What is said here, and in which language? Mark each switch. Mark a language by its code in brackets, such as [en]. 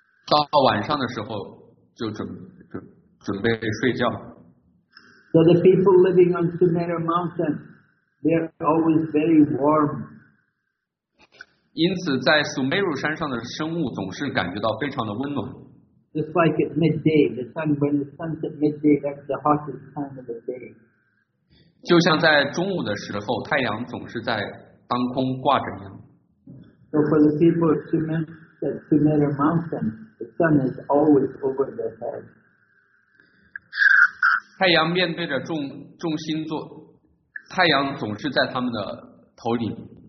[zh] 到晚上的时候，就准备睡觉。 [en] So the people living on Sumeru Mountain, they're always very warm. [zh] 因此，在苏梅鲁山上的生物总是感觉到非常的温暖。 [en] Just like at midday, the sun, when the sun's at midday, that's the hottest time of the day. [zh] 就像在中午的时候，太阳总是在当空挂着一样。 [en] So for the people of Sumeru Mountain, the sun is always over their head. [zh] 太阳面对着众星座，太阳总是在他们的头顶。